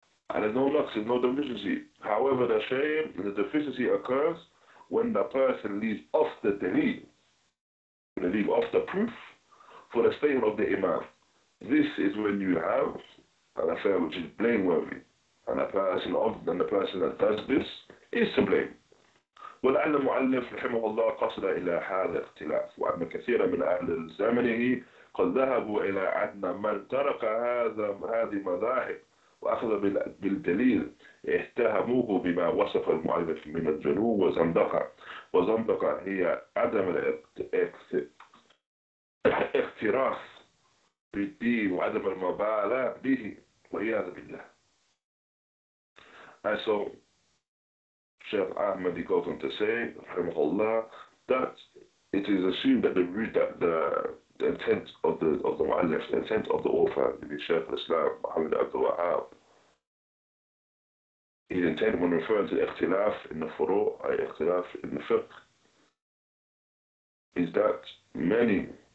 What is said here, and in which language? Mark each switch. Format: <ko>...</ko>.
<en>And there's no lux, there's no deficiency. However, the shame and the deficiency occurs when the person leaves off the delil, when they leave off the proof for the statement of the Imam. This is when you have an affair which is blameworthy. And the person that does this is to blame.</en> <ar>ولعل المؤلف رحمه الله قصد إلى هذا الاختلاف وأن كثيرا من أهل زمنه قد ذهبوا إلى أن من ترك هذه المذاهب وأخذ بالدليل اهتهموه بما وصف المؤلف من الجنو وزندقة وزندقة هي عدم الاقتراف بالدين وعدم المبالاة به والعياذ بالله.</ar> <en>And so Sheikh Ahmed, he goes on to say, Rahimahullah, that it is assumed that the intent of the Mu'allif, the intent of the author, the Sheikh al-Islam, Muhammad Abdul Wahab, his intent when referring to the ikhtilaf in the furu', or ikhtilaf in the fiqh, is that many</en>